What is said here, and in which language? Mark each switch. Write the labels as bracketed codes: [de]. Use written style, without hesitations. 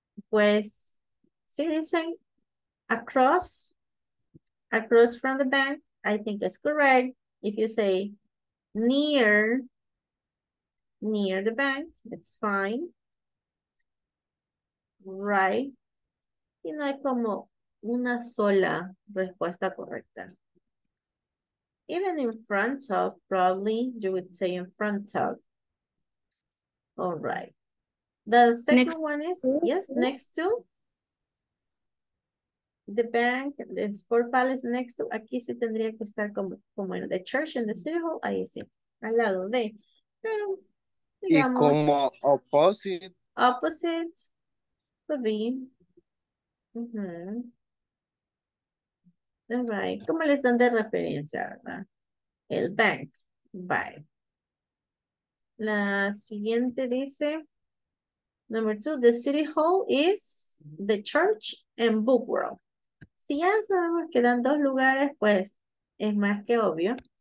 [es] Pues, si dicen [en] across, across from the bank, I think it's correct. If you say near, near the bank, it's fine. [es] Right, y no hay como una sola respuesta correcta. [en] Even in front of, probably you would say in front of. All right, the second next one is two. Yes, next to the bank, the Sport Palace next to, [es] aquí se tendría que estar como, como en [en] the church and the city hall, [es] ahí sí, al lado de, pero digamos, y como opposite. [en] Opposite. Would be, mm-hmm. [es] All right. ¿Cómo le están de referencia, verdad? El bank. Bye. La siguiente dice, [en] number two, the city hall is the church and book world. [es] Si ya sabemos que dan dos lugares, pues es más que obvio.